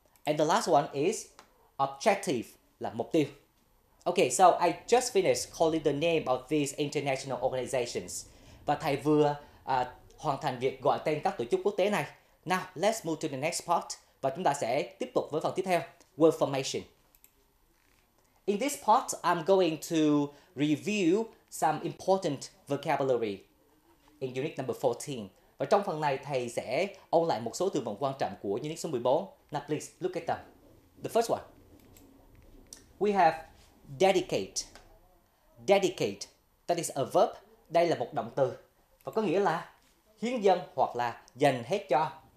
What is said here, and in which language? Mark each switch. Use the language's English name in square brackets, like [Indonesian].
[English] And the last one is objective, [Vietnamese] là mục tiêu. [English] Okay, so I just finished calling the name of these international organizations. [Vietnamese] Và thầy vừa hoàn thành việc gọi tên các tổ chức quốc tế này. [English] Now, let's move to the next part. [Vietnamese] Và chúng ta sẽ tiếp tục với phần tiếp theo, [English] word formation. In this part, I'm going to review some important vocabulary in unit number 14. [Vietnamese] Và trong phần này, thầy sẽ ôn lại một số từ vựng quan trọng của unit số 14. [English] Now, please, look at them. The first one. We have dedicate. Dedicate, that is a verb. [Vietnamese] Đây là một động từ. Và có nghĩa là hiến dâng hoặc là dành hết cho.